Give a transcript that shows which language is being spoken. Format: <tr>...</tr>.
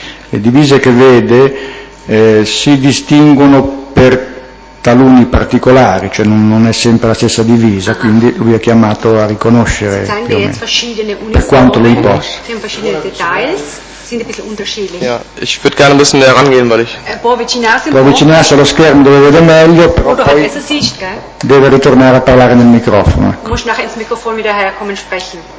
<it>Le divise che vede si distinguono per taluni particolari, cioè non è sempre la stessa divisa, quindi lui è chiamato a riconoscere più o meno, per quanto lui possa.</it> <de>Ja, ich würde gerne ein bisschen näher rangehen, weil ich...</de> <it>Può avvicinarsi allo schermo dove vede meglio, però poi deve ritornare a parlare nel microfono.</it> <de>Muss nachher ins Mikrofon wieder herkommen sprechen.</de>